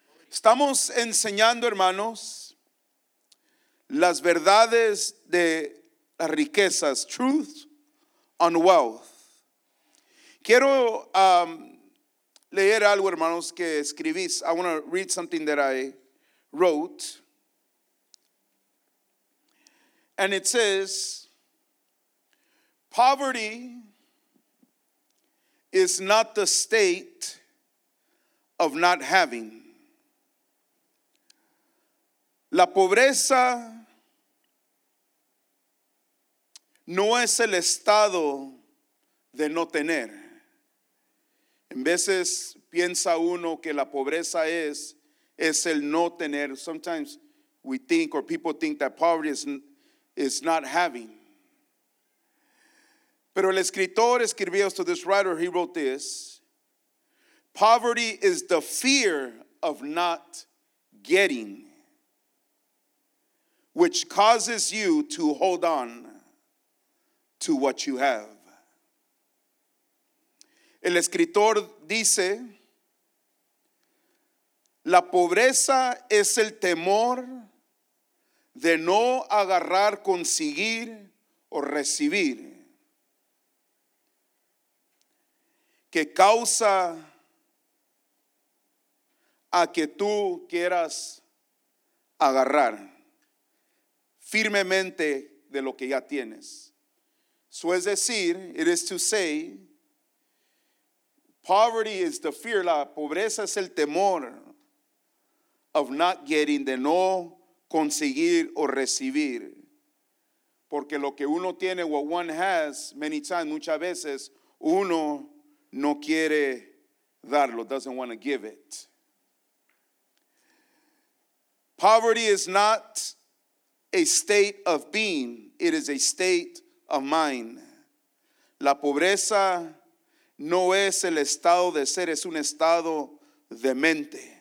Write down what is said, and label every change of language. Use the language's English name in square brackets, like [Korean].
[Spanish] Estamos enseñando, hermanos, las verdades de las riquezas, [English] truth on wealth. [Spanish] Quiero leer algo, hermanos, que escribís. [English] I want to read something that I wrote. And it says, poverty is not the state of not having. [Spanish] La pobreza no es el estado de no tener. En veces piensa uno que la pobreza es el no tener. [English] Sometimes we think or people think that poverty is not having. [Spanish] Pero el escritor escribió esto, [English] this writer, he wrote this. Poverty is the fear of not getting, which causes you to hold on to what you have. [Spanish] El escritor dice, la pobreza es el temor de no agarrar, conseguir o recibir, que causa a que tú quieras agarrar firmemente de lo que ya tienes. [English] So [Spanish] es decir, [English] it is to say, poverty is the fear, [Spanish] la pobreza es el temor [English] of not getting, [Spanish] de no conseguir o recibir. Porque lo que uno tiene, [English] what one has, many times, [Spanish] muchas veces, uno no quiere darlo, [English] doesn't want to give it. Poverty is not a state of being, it is a state of mind. [Spanish] La pobreza no es el estado de ser, es un estado de mente.